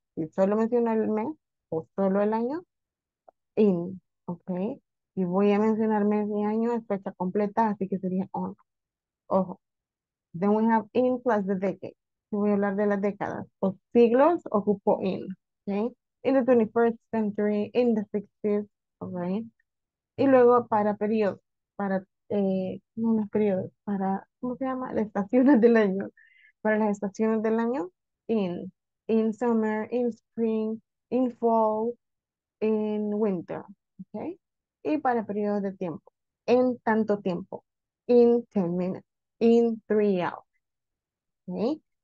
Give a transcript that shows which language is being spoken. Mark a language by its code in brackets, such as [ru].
[es] Si solo menciono el mes o solo el año, in, ok. Si voy a mencionar mes y año, es fecha completa, así que sería on. Ojo. [en] Then we have in plus the decade. [es] Si voy a hablar de las décadas o siglos, ocupo in, ok. [en] In the 21st century, in the 60s, ok. [es] Y luego para periodos, para, no los periodos, para, ¿cómo se llama? Las estaciones del año. Para las estaciones del año, in. [en] In summer, in spring, in fall, in winter, okay? [es] Y para periodos de tiempo, en tanto tiempo, [en] in 10 minutes, in 3 hours, [es] okay?